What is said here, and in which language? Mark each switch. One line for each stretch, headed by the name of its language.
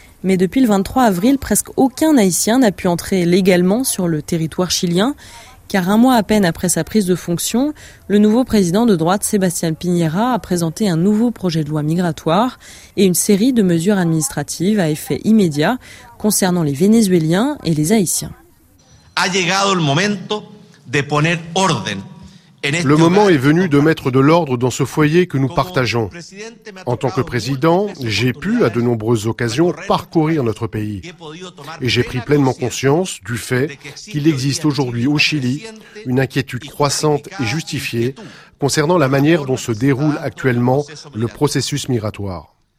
French: Mais depuis le 23 avril, presque aucun Haïtien n'a pu entrer légalement sur le territoire chilien. Car un mois à peine après sa prise de fonction, le nouveau président de droite, Sébastien Piñera, a présenté un nouveau projet de loi migratoire et une série de mesures administratives à effet immédiat concernant les Vénézuéliens et les Haïtiens.
Spanish: Ha llegado el momento de poner orden.
French: Le moment est venu de mettre de l'ordre dans ce foyer que nous partageons. En tant que président, j'ai pu, à de nombreuses occasions, parcourir notre pays. Et j'ai pris pleinement conscience du fait qu'il existe aujourd'hui au Chili une inquiétude croissante et justifiée concernant la manière dont se déroule actuellement le processus migratoire.